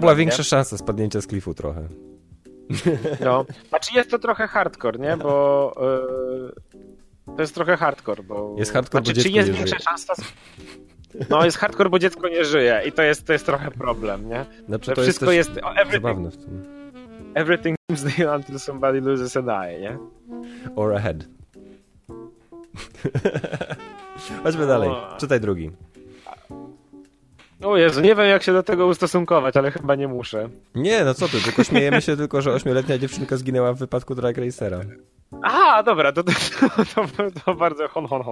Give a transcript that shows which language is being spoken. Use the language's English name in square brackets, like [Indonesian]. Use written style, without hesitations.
[Polish] była większa szansa spadnięcia z klifu trochę. No, znaczy jest to trochę hardcore, nie? Bo to jest trochę hardcore, bo... Jest hardcore, znaczy, bo dziecko czy jest nie większa żyje. Szansa... No, jest hardcore, bo dziecko nie żyje i to jest trochę problem, nie? Znaczy to wszystko jest też zabawne w tym. [English] Everything is done until somebody loses an eye, nie? Or a head. [Polish] Chodźmy dalej, czytaj drugi. O Jezu, nie wiem jak się do tego ustosunkować, ale chyba nie muszę. Nie, no co ty, tylko śmiejemy się tylko, że 8-letnia dziewczynka zginęła w wypadku Drag Racera. Aha, dobra, to bardzo hon.